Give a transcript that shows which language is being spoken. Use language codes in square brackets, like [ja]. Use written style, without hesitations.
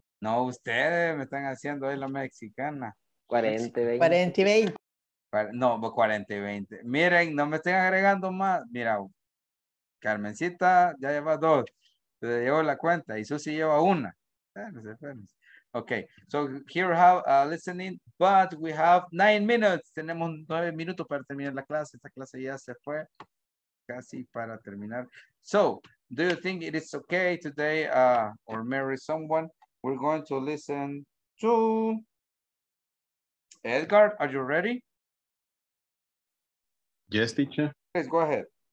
[es] No, ustedes me están haciendo ahí la mexicana. 40 y 20. 40 y 20. No, 40 y 20. Miren, no me estén agregando más. Mira, Carmencita ya lleva dos. Se llevó la cuenta y Susi lleva una. Espérense, espérense. [en] Okay, so here have a listening, but we have 9 minutes. [es] Tenemos 9 minutos para terminar la clase. Esta clase ya se fue casi para terminar. [en] So, do you think it is okay today or marry someone? We're going to listen to Edgar. Are you ready? Yes, teacher. Please go ahead.